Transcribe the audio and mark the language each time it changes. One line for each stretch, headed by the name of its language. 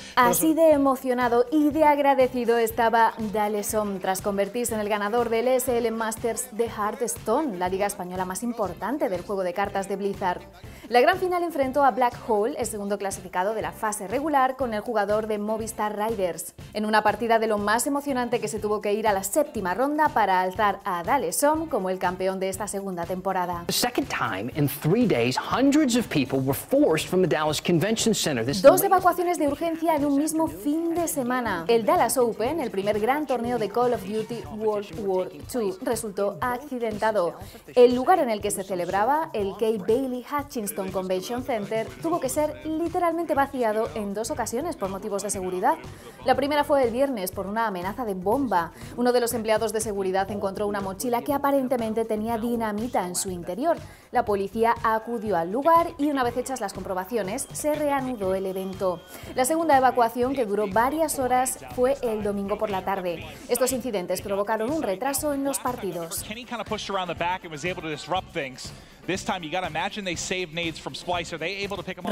Spanish: Así de emocionado y de agradecido estaba Dalesom tras convertirse en el ganador del ESL Masters de Hearthstone, la liga española más importante del juego de cartas de Blizzard. La gran final enfrentó a Black Hole, el segundo clasificado de la fase regular, con el jugador de Movistar Riders, en una partida de lo más emocionante que se tuvo que ir a la séptima ronda para alzar a Dalesom como el campeón de esta segunda temporada.
English: The second time in 3 days, Hundreds of people were forced from the Dallas Convention Center.
Spanish: Dos evacuaciones de urgencia en un mismo fin de semana. El Dallas Open, el primer gran torneo de Call of Duty World War II, resultó accidentado. El lugar en el que se celebraba, el Kay Bailey Hutchinson Convention Center, tuvo que ser literalmente vaciado en dos ocasiones por motivos de seguridad. La primera fue el viernes por una amenaza de bomba. Uno de los empleados de seguridad encontró una mochila que aparentemente tenía dinamita en su interior. La policía acudió al lugar y, una vez hechas las comprobaciones, se reanudó el evento. La segunda evacuación, que duró varias horas, fue el domingo por la tarde. Estos incidentes provocaron un retraso en los partidos.
English: Kenny kind of pushed around the back and was able to disrupt things. This time you gotta imagine they saved nades from Splice. Are they able to pick them up?